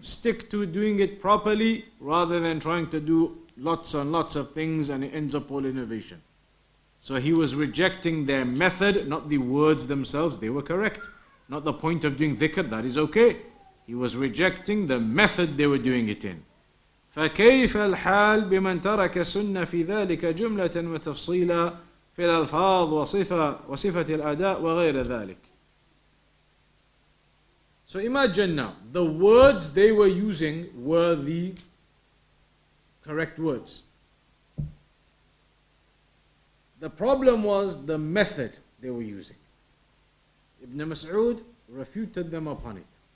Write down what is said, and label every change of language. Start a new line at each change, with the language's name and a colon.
English: Stick to doing it properly rather than trying to do lots and lots of things and it ends up all innovation. So he was rejecting their method, not the words themselves. They were correct. Not the point of doing dhikr. That is okay. He was rejecting the method they were doing it in.
Arabic: فكيف الحال بمن ترك سنة في ذلك جملة وتفصيلا في الألفاظ وصفة الأداء وغير ذلك.
English: So imagine now, the words they were using were the correct words. The problem was the method they were using. Ibn Mas'ud refuted them upon it.